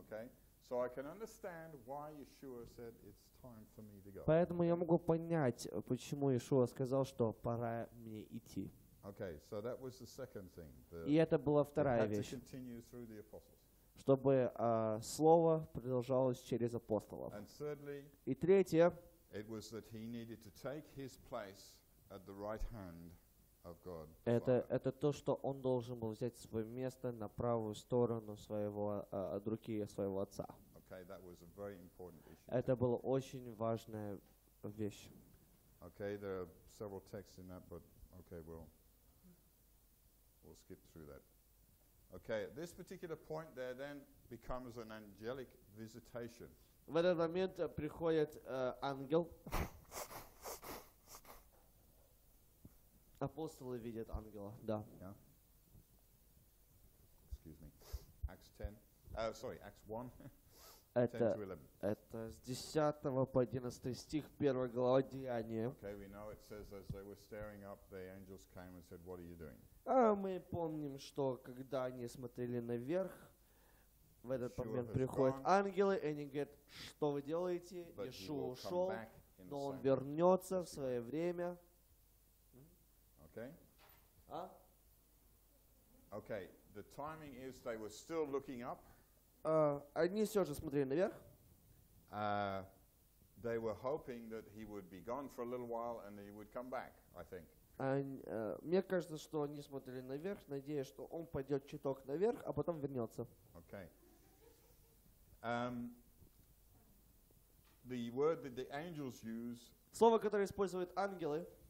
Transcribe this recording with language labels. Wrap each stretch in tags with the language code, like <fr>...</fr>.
<en>Okay. So I can understand why Yeshua said it's time for me to go.</en> <ru>Поэтому я могу понять, почему Иешуа сказал, что пора мне идти.</ru> <en>Okay, so that was the second thing.</en> <ru>И это была вторая вещь.</ru> <en>To continue through the apostles.</en> <ru>Чтобы слово продолжалось через апостолов.</ru> <en>And thirdly,</en> <ru>и третье,</ru> <en>it was that he needed to take his place at the right hand of God.</en> <ru>Это то, что он должен был взять свое место на правую сторону своего от руки своего отца.</ru> <en>Okay, that was a very important issue.</en> <ru>Это была очень важная вещь.</ru> <en>Okay, there are several texts in that, but okay, we'll skip through that. Okay, at this particular point there then becomes an angelic visitation.</en> <ru>В этот момент приходит ангел. Апостолы видят ангела, да.</ru> <en>Yeah. Excuse me. Acts 10. Sorry, Acts 1.</en> <ru>Это с 10 по 11 стих 1 главы Деяния.</ru> <en>Okay,</en> <ru>мы помним, что когда они смотрели наверх, в этот момент приходят ангелы, и они говорят, что вы делаете? Иешуа ушел, но он вернется в свое время.</ru> <en>Okay. Okay, the timing is they were still looking up.</en> <ru>Они все же смотрели наверх.</ru> <en>They were hoping that he would be gone for a little while and he would come back, I think.</en> <ru>Мне кажется, что они смотрели наверх, надеясь, что он пойдет чуток наверх, а потом вернется.</ru> <en>Okay. The word that the angels use.</en> <ru>Слово, которое используют ангелы.</ru>